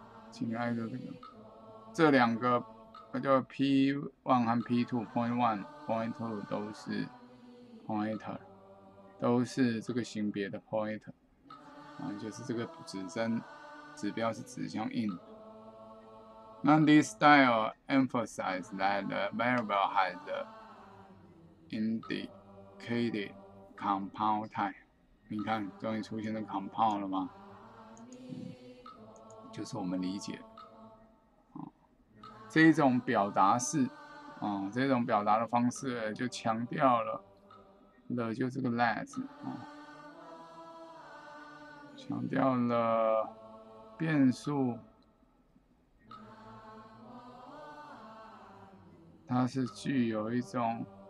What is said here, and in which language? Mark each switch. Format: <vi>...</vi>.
<zh>紧挨着这个，这两个叫 P1 和 P2， Point 1 Point 2都是 pointer， 都是这个型别的 pointer， 就是这个指针指标是指向 in。</zh> <en>那 this style emphasizes that the variable has theIndicated compound type，</en> <zh>你看，终于出现了 compound 了吗？就是我们理解，这一种表达式，这种表达的方式就强调了 the 就是个 let， 强调了变数，它是具有一种。</zh>